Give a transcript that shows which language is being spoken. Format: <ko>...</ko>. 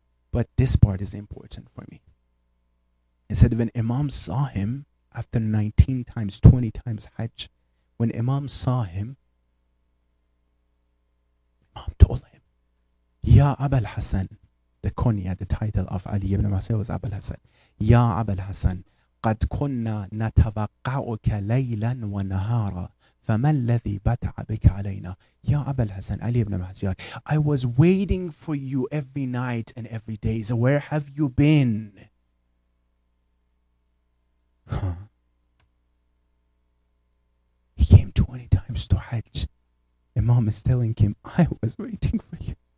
<en>But this part is important for me. He said, when Imam saw him after 19 times, 20 times Hajj, when Imam saw him, Imam told him, Ya Abul Hasan, the kunya, the title of Ali ibn Mas'ud was Abul Hasan.</en> <ar>Ya Abul Hasan, قد كنا نتوقعك ليلا ونهارا فما الذي بتع بك علينا يا أبا الحسن علي بن معزيان.</ar> <en>I was waiting for you every night and every day. So where have you been? He came 20 times to Hajj. Imam is telling him, I was waiting for you.</en>